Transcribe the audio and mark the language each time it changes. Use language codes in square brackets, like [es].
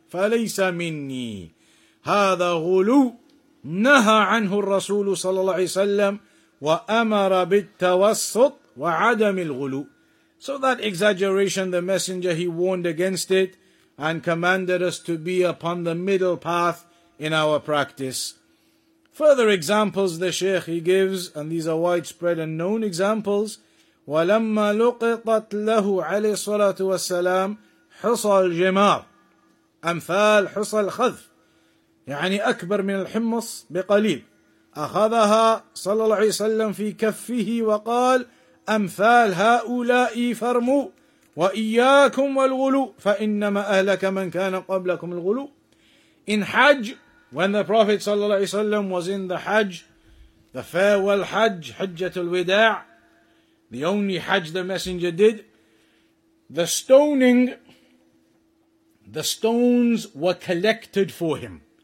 [ar] فَلَيْسَ مِنِّي هَذَا غُلُوْ نَهَى عَنْهُ الرَّسُولُ صلى الله عليه وسلم وَأَمَرَ بِالتَّوَسُّطْ وَعَدَمِ الْغُلُوْ. [en] So that exaggeration, the messenger, he warned against it and commanded us to be upon the middle path in our practice. Further examples the Shaykh he gives, and these are widespread and known examples. [ar] وَلَمَّا لُقِطَتْ لَهُ عَلَيْهِ الصَّلَاةُ وَالسَّلَامُ حُصَى الْجِمَارُ أَمْثَال حُصَى الْخَذْفِ يعني أكبر من الحمص بقليل. أخذها صلى الله عليه وسلم في كفه وقال أمثال هؤلاء فرموا وإياكم والغلو فإنما أهلك من كان قبلكم الغلو. [en] In Hajj, when the Prophet صلى الله عليه وسلم was in the Hajj, the farewell Hajj, حجة الوداع, the only Hajj the messenger did, the stones were collected for him.